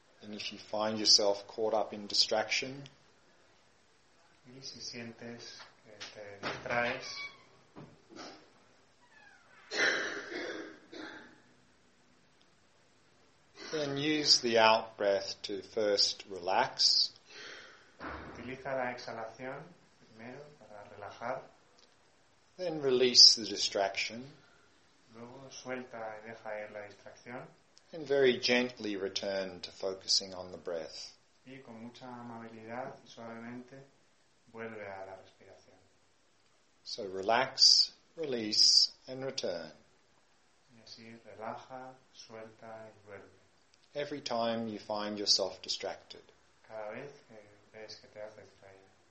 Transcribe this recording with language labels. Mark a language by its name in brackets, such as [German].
[English] If you find yourself caught up in distraction, [Spanish] y si sientes que te distraes, [English] then use the out breath to first relax. [Spanish] Utiliza la exhalación primero para relajar. [English] Then release the distraction. [Spanish] Luego suelta y deja ir la distracción. [English] And very gently return to focusing on the breath. [Spanish] Y con mucha amabilidad y suavemente vuelve a la respiración. [English] So relax, release, and return. [Spanish] Y así relaja, suelta y vuelve. [English] Every time you find yourself distracted. [Spanish] Cada vez que ves que te has distraído.